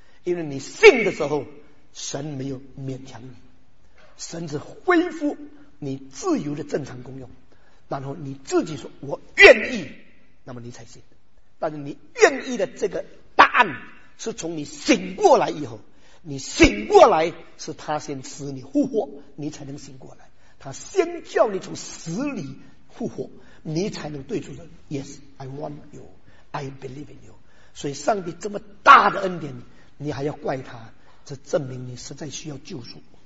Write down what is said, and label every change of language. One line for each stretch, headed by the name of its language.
Chinese: 因为你信的时候，神没有勉强你，神是恢复你自由的正常功用，然后你自己说我愿意，那么你才信。但是你愿意的这个答案是从你醒过来以后，你醒过来是他先使你复活，你才能醒过来。他先叫你从死里复活，你才能对主说
English: Yes, I want you, I believe in you。
Chinese: 所以上帝这么大的恩典你还要怪他，这证明你实在需要救赎。